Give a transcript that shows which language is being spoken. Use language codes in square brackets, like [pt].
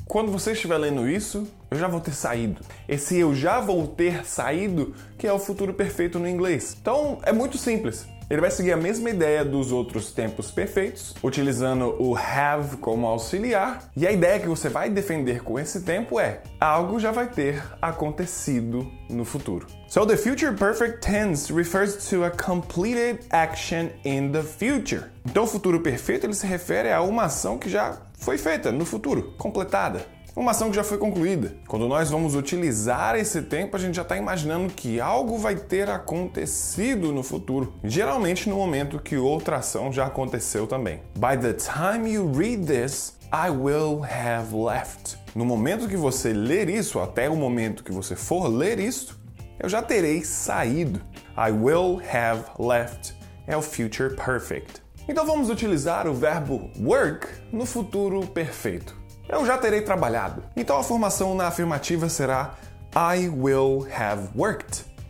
[pt] Quando você estiver lendo isso, eu já vou ter saído. Esse eu já vou ter saído que é o futuro perfeito no inglês. Então, é muito simples. Ele vai seguir a mesma ideia dos outros tempos perfeitos, utilizando o have como auxiliar. E a ideia que você vai defender com esse tempo é algo já vai ter acontecido no futuro. [en] So the future perfect tense refers to a completed action in the future. [pt] Então o futuro perfeito ele se refere a uma ação que já foi feita no futuro, completada. Uma ação que já foi concluída. Quando nós vamos utilizar esse tempo, a gente já está imaginando que algo vai ter acontecido no futuro. Geralmente no momento que outra ação já aconteceu também. [en] By the time you read this, I will have left. [pt] No momento que você ler isso, até o momento que você for ler isso, eu já terei saído. [en] I will have left [pt] é o [en] future perfect. [pt] Então vamos utilizar o verbo work no futuro perfeito. Eu já terei trabalhado. Então a formação na afirmativa será [en] I will have worked.